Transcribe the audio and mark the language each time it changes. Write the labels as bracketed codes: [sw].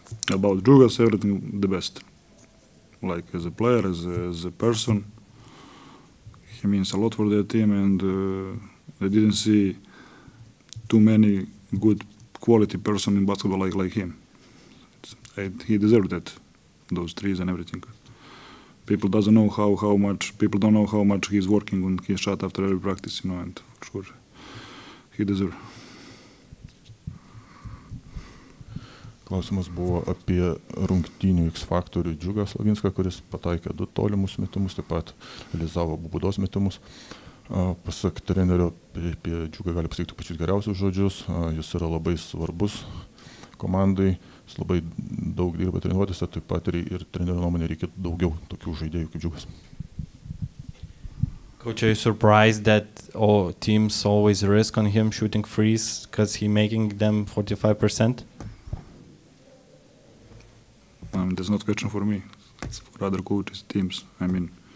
[en] About Džiugas, everything the best. Like as a player, as a person, he means a lot for their team, and I didn't see too many good quality person in basketball like him. He deserved that, those threes and everything. People doesn't know how much he's working on his shot after every practice, you know, and for sure he deserved. [lt] Klausimas buvo apie rungtynių X faktorių Džiugą Slavinską, kuris pataikė 2 tolimus metimus, taip pat realizavo baudos metimus. Pasak trenerio, apie Džiugą gali pasakyti pačius geriausius žodžius, jis yra labai svarbus komandai, jis labai daug dirba treniruotėse, taip pat ir trenerio nuomonė reikia daugiau tokių žaidėjų kaip Džiugas. [en] Coach, are you surprised that all teams always risk on him shooting threes because he making them 45%? That's not a question for me, it's for other coaches, teams, I mean.